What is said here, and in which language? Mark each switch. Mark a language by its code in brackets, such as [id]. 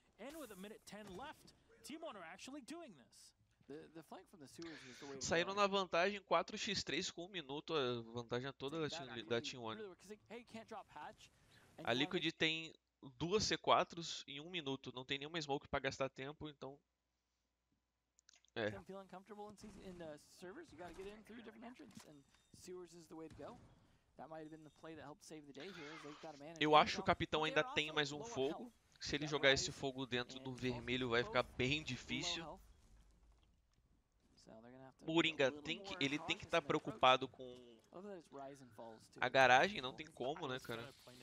[en] And with a minute 10 left, Team One are actually doing this. The flank from the sewers is the way. [pt] Saíram na vantagem 4x3 com um minuto, a vantagem toda da Team One. [en] Hey, can't drop hatch. [pt] A Liquid tem duas C4s em um minuto, não tem nenhuma smoke pra gastar tempo, então. É. [en] I'm feeling comfortable in the servers. You gotta get in through different entrances, and sewers is the way to go. That might have been the play that helped save the day here. They've got a man. [pt] Eu acho que o capitão ainda tem mais um fogo. Se ele jogar esse fogo dentro do vermelho, vai ficar bem difícil. Moringa, ele tem que estar preocupado com a garagem, não tem como, né, cara?